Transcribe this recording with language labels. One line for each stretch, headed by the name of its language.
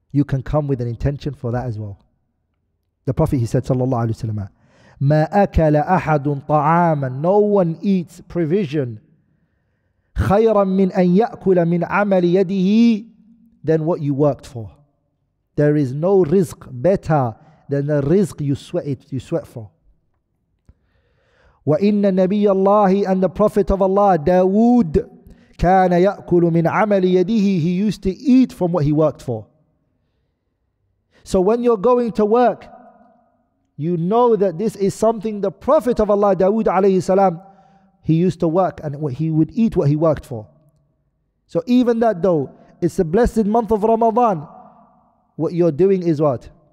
English: You can come with an intention for that as well. The Prophet, he said, sallallahu alayhi wa sallam,
Arabic: مَا أَكَلَ أَحَدٌ طَعَامًا.
English: No one eats provision
Arabic: خَيْرًا مِنْ أَنْ يَأْكُلَ مِنْ عَمَلِ يَدِهِ
English: than what you worked for. There is no rizq better than the rizq you sweat for.
Arabic: وَإِنَّ نَبِيَّ اللَّهِ
English: and the Prophet of Allah,
Arabic: Dawood, كَانَ يَأْكُلُ مِنْ عَمَلِ يَدِهِ.
English: He used to eat from what he worked for. So when you're going to work, you know that this is something the Prophet of Allah, Dawood alayhi salam, he used to work and he would eat what he worked for. So even that though, it's the blessed month of Ramadan, what you're doing is what?